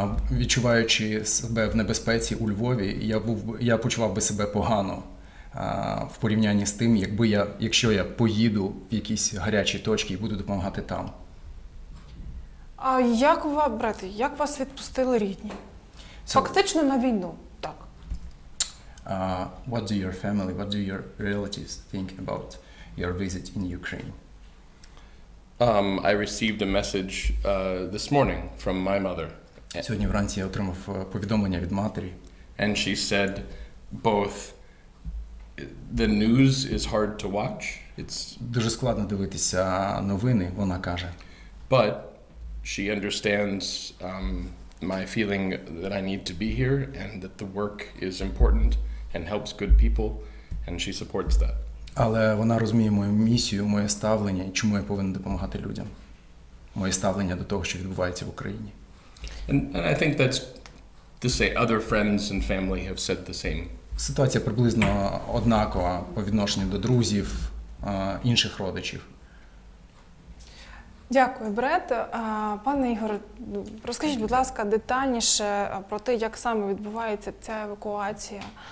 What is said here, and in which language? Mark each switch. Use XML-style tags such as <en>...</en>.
<uk>Відчуваючи себе в небезпеці у Львові, я почував би себе погано в порівнянні з тим, якщо я поїду в якісь гарячі точки і буду допомагати там. А як вас, брати, як вас відпустили рідні? Фактично на війну, так.</uk> <en>What do your family, what do your relatives think about your visit in Ukraine? I received a message this morning from my mother.</en> <uk>Сьогодні вранці я отримав повідомлення від матері.</uk> <en>And she said both the news is hard to watch. It's</en> <uk>дуже складно дивитися новини, вона каже.</uk> <en>But she understands my feeling that I need to be here and that the work is important and helps good people and she supports that.</en> <uk>Але вона розуміє мою місію, моє ставлення і чому я повинен допомагати людям. Моє ставлення до того, що відбувається в Україні.</uk> <en>And I think that's to say other friends and family have said the same.</en> <uk>Ситуація приблизно однакова по відношенню до друзів, інших родичів. Дякую, Бретт. Пане Ігор, розкажіть, будь ласка, детальніше про те, як саме відбувається ця евакуація.</uk>